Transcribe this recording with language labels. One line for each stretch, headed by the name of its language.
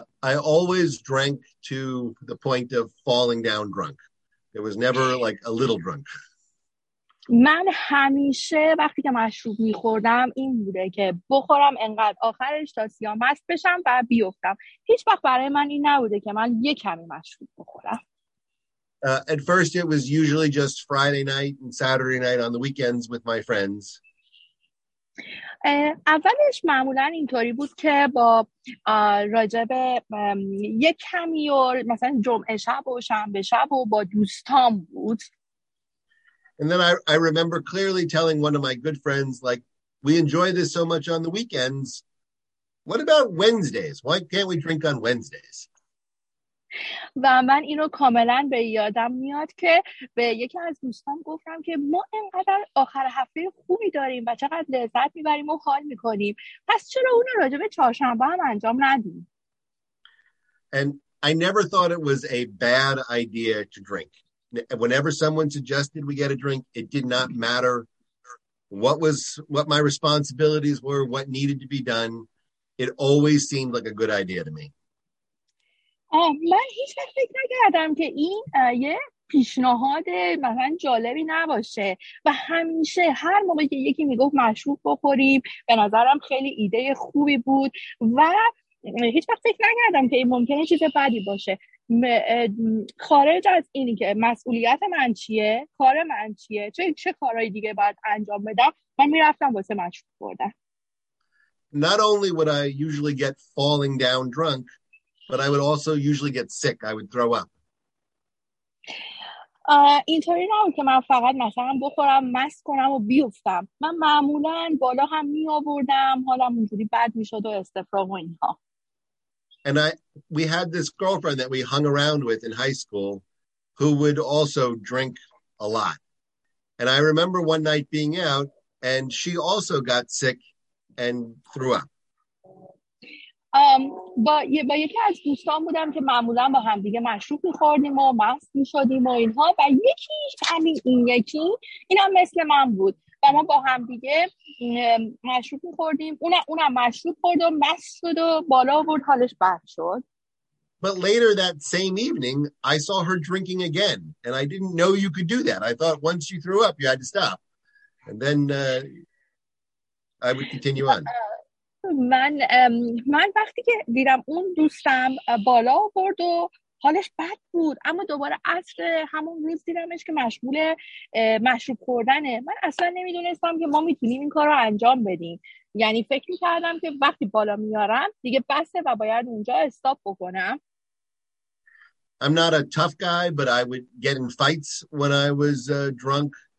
English: I always drank to the point of falling down drunk. There was never like a little drunk.
Persian: من همیشه وقتی که مشروب میخوردم این بوده که بخورم انقدر آخرش تا سیاه مست بشم و بیفتم. هیچ وقت برای من این نبوده که من یک کمی مشروب بخورم.
English: At first it was usually just Friday night and Saturday night on the weekends with my friends.
Persian: اولش معمولا اینطوری بود که با راجب یک کمی و مثلا جمعه شب و شنبه شب و با دوستان بود.
English: And then I remember clearly telling one of my good friends, like, we enjoy this so much on the weekends. What about Wednesdays? Why can't we drink on Wednesdays?
Persian: و من اینو کاملا به یادم میاد که به یکی از دوستان گفتم که ما اینقدر آخر هفته خوبی داریم و چقدر لذت میبریم و حال میکنیم. پس چرا اونو راجع به چهارشنبه هم انجام ندیم؟
English: And I never thought it was a bad idea to drink. Whenever someone suggested we get a drink, it did not matter what my responsibilities were, what needed to be done. It always seemed like a good idea to me.
Persian: من هیچ وقت فکر نکردم که این یه پیشنهاد مثلا جالبی نباشه و همیشه هر موقع که یکی میگفت مشروب بخوریم به نظرم خیلی ایده خوبی بود و هیچ وقت فکر نکردم که این ممکنه چیز بدی باشه. خارج از اینی که مسئولیت من چیه، کار من چیه، چه کارهای دیگه باید انجام بدم، من میرفتم واسه مشروب خوردن.
English: Not only would I usually get falling down drunk, but I would also usually get sick. I would throw up.
Persian: اینطوری نبود که من فقط مثلا بخورم مست کنم و بیفتم. من معمولا بالا هم می آوردم، حالم اونجوری بد می شد و استفراغ و اینها.
English: And we had this girlfriend that we hung around with in high school who would also drink a lot. And I remember one night being out and she also got sick and threw up.
Persian: با یکی از دوستان بودم که معمولا با هم دیگه مشروب می‌خوردیم و مست می‌شدیم و اینها و یکی اینم مثل من بود و ما با هم دیگه مشروب می‌خوردیم اونم مشروب خورد و مست شد و بالا آورد حالش بد شد.
English: But later that same evening I saw her drinking again and I didn't know you could do that. I thought once you threw up you had to stop and then I would continue on.
Persian: من وقتی که دیدم اون دوستم بالا آورد و حالش بد بود، اما دوباره عصر همون روز دیدمش که مشغول مشروب خوردنه. من اصلا نمیدونستم که ما میتونیم این کار رو انجام بدیم، یعنی فکر میکردم که وقتی بالا میارم دیگه بسه و باید اونجا استاپ بکنم.
English: I'm not a tough guy, but I would get in fights when I was drunk.